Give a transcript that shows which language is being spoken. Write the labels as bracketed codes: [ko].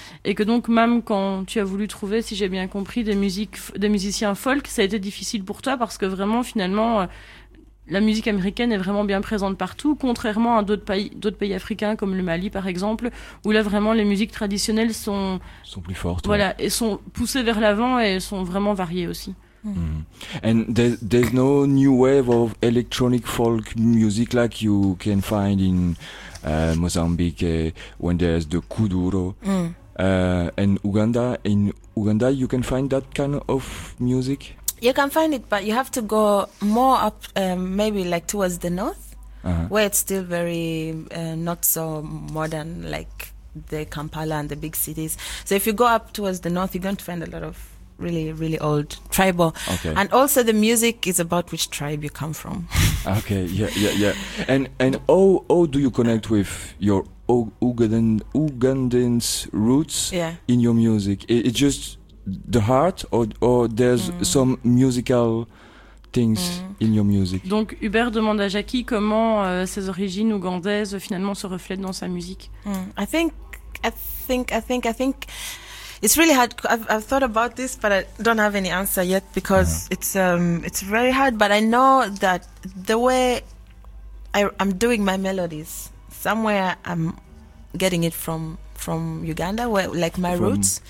[fr] Et que donc, même quand tu as voulu trouver, si j'ai bien compris, des musiciens folk, ça a été difficile pour toi parce que vraiment, finalement... La musique américaine est vraiment bien présente partout, contrairement à d'autres pays africains comme le Mali, par exemple, où là vraiment les musiques traditionnelles sont plus fortes. Voilà, ouais. Et sont poussées vers l'avant et sont vraiment variées aussi. [en] And there's no new wave of electronic folk music like you can find in Mozambique when there's the kuduro. And in Uganda, you can find that kind of music. You can find it, but you have to go more up, maybe like towards the north, where it's still very not so modern, like the Kampala and the big cities. So if you go up towards the north, you're going to find a lot of really, really old tribal. Okay. And also the music is about which tribe you come from. Okay, yeah. And how do you connect with your Ugandan roots in your music? It just... The heart or there's some musical things in your music. [fr] Donc Hubert demande à Jackie comment ses origines ougandaises finalement se reflètent dans sa musique. [en] I think it's really hard. I've thought about this, but I don't have any answer yet because it's very hard. But I know that the way I'm doing my melodies, somewhere I'm getting it from. From Uganda, where like my roots.